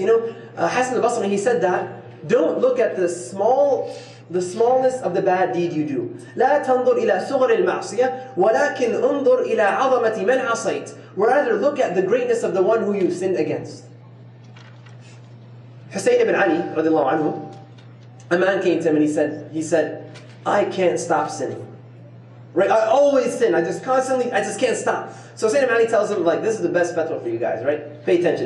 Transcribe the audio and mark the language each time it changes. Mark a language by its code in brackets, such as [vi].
[en] You know, Hassan al-Basri, he said that, don't look at the smallness of the bad deed you do. [ar] لا تنظر إلى صغر المعصية ولكن انظر إلى عظمة من عصيت. [en] Rather, look at the greatness of the one who you've sinned against. Husayn ibn Ali, radiallahu anhu, a man came to him and he said, I can't stop sinning. Right? I always sin. I just can't stop. So Husayn ibn Ali tells him, like, this is the best fatwa for you guys, right? Pay attention.